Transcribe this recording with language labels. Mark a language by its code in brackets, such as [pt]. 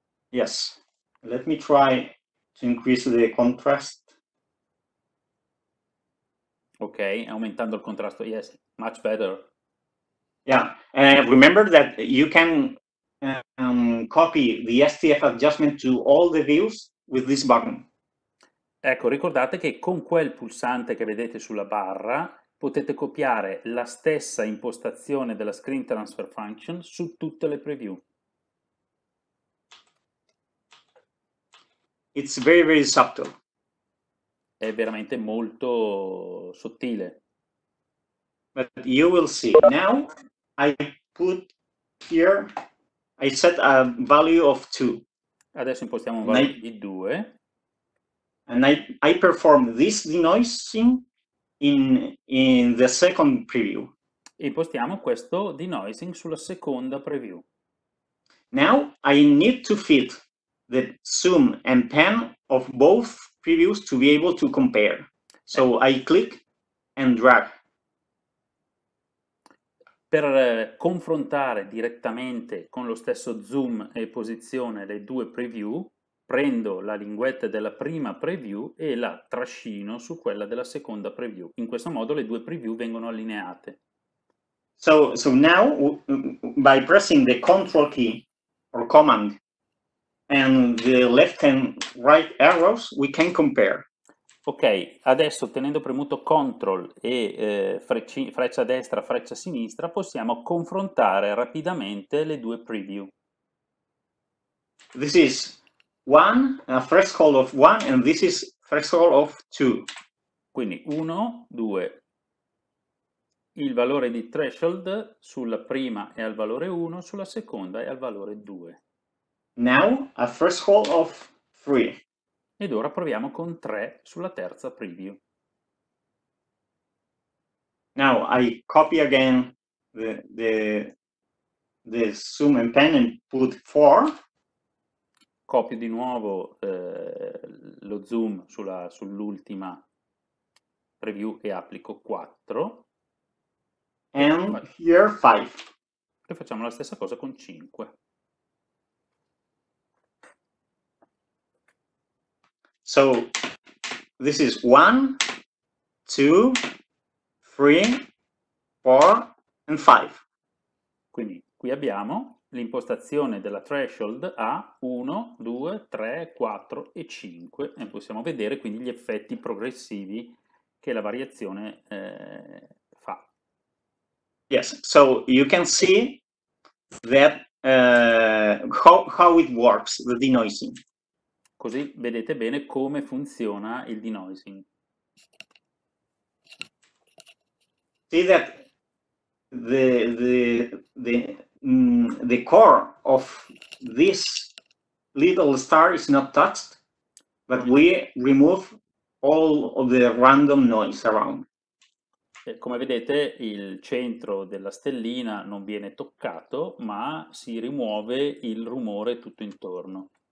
[en] Yes, let me try to increase the contrast. Okay, [it] aumentando il contrasto. [en] Yes, much better. Yeah, and remember that you can copy the STF adjustment to all the views with this button. [it] Ecco, ricordate che con quel pulsante che vedete sulla barra potete copiare la stessa impostazione della screen transfer function su tutte le preview. [en] It's very, very subtle. [it] È veramente molto sottile. [en] But you will see. Now I put here, I set a value of 2. [it] Adesso impostiamo un valore di 2. [en] And I perform this denoising in the second preview. [it] Impostiamo questo denoising sulla seconda preview. [en] Now I need to fit the zoom and pan of both previews to be able to compare. So I click and drag. [it] Per confrontare direttamente con lo stesso zoom e posizione le due preview, prendo la linguetta della prima preview e la trascino su quella della seconda preview. In questo modo le due preview vengono allineate. [en] So now, by pressing the control key or command and the left and right arrows, we can compare. [it] Ok, adesso tenendo premuto control e freccia destra, freccia sinistra, possiamo confrontare rapidamente le due preview. [en] This is one, a threshold of one, and this is threshold of two. [it] Quindi 1, 2. Il valore di threshold sulla prima è al valore 1, sulla seconda è al valore 2. [en] Now a threshold of 3. [it] Ed ora proviamo con 3 sulla terza preview. [en] Now I copy again the zoom and pan and put 4. [it] Copio di nuovo lo zoom sull'ultima preview e applico 4. [en] And here 5. [it] E facciamo la stessa cosa con 5. [en] So this is 1, 2, 3, 4 and 5. [it] Quindi qui abbiamo l'impostazione della threshold a 1, 2, 3, 4 e 5 e possiamo vedere quindi gli effetti progressivi che la variazione fa. [en] Yes, so you can see that how it works, the denoising. [it] Così vedete bene come funziona il denoising. [en] See that the core of this little star is not touched, but we remove all of the random noise around. [it] E come vedete, il centro della stellina non viene toccato, ma si rimuove il rumore tutto intorno.